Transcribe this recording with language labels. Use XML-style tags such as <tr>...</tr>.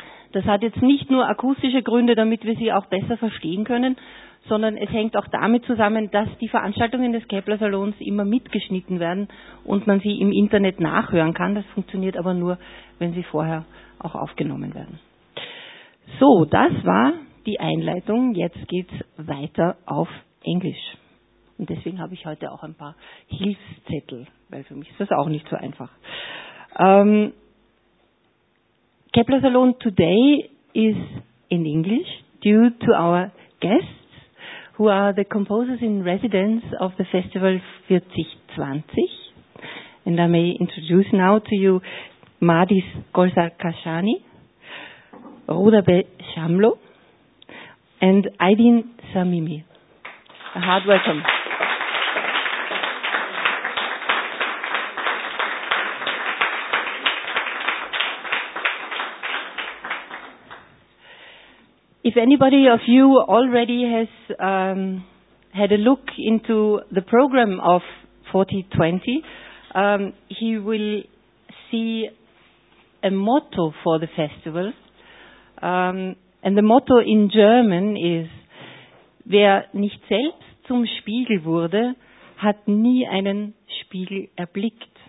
<de>Das hat jetzt nicht nur akustische Gründe, damit wir Sie auch besser verstehen können, sondern es hängt auch damit zusammen, dass die Veranstaltungen des Kepler Salons immer mitgeschnitten werden und man sie im Internet nachhören kann. Das funktioniert aber nur, wenn sie vorher auch aufgenommen werden. So, das war die Einleitung. Jetzt geht's weiter auf Englisch. Und deswegen habe ich heute auch ein paar Hilfszettel, weil für mich ist das auch nicht so einfach.</de> <en>Kepler Salon today is in English due to our guests, who are the composers in residence of the Festival 4020. And I may introduce now to you Madis Golzakashani, Roda Beshamlu, and Idin Samimi. A hard welcome. If anybody of you already has had a look into the program of 4020, he will see a motto for the festival. And the motto in German is,</en> <de>wer nicht selbst zum Spiegel wurde, hat nie einen Spiegel erblickt.</de>